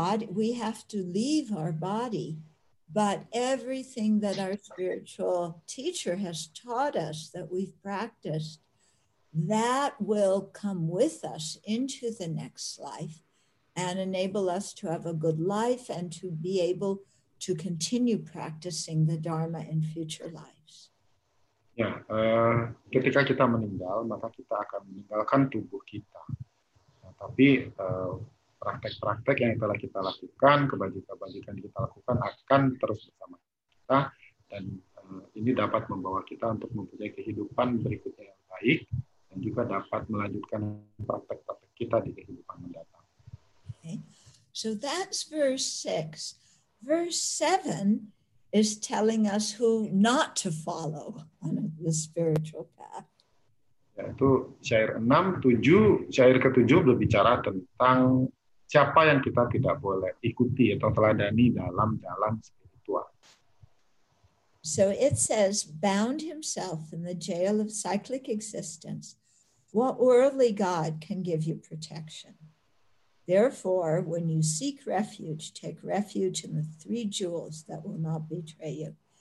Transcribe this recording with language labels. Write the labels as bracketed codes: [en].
[en] we have to leave our body, but everything that our spiritual teacher has taught us, that we've practiced, that will come with us into the next life and enable us to have a good life and to be able to continue practicing the Dharma in future lives. [id] Ya, ketika kita meninggal, maka kita akan meninggalkan tubuh kita. Tapi praktek-praktek yang telah kita lakukan, kebajikan-kebajikan yang kita lakukan akan terus bersama kita, dan ini dapat membawa kita untuk mempunyai kehidupan berikutnya yang baik, dan juga dapat melanjutkan praktek-praktek kita di kehidupan mendatang. [en] So that's verse 6. Verse 7 is telling us who not to follow on the spiritual path. [id] Yaitu syair 6, 7, syair ke-7 berbicara tentang siapa yang kita tidak boleh ikuti atau teladani dalam jalan spiritual. [en] So it says, bound himself in the jail of cyclic existence, what worldly God can give you protection? Therefore, when you seek refuge, take refuge in the three jewels that will not betray you.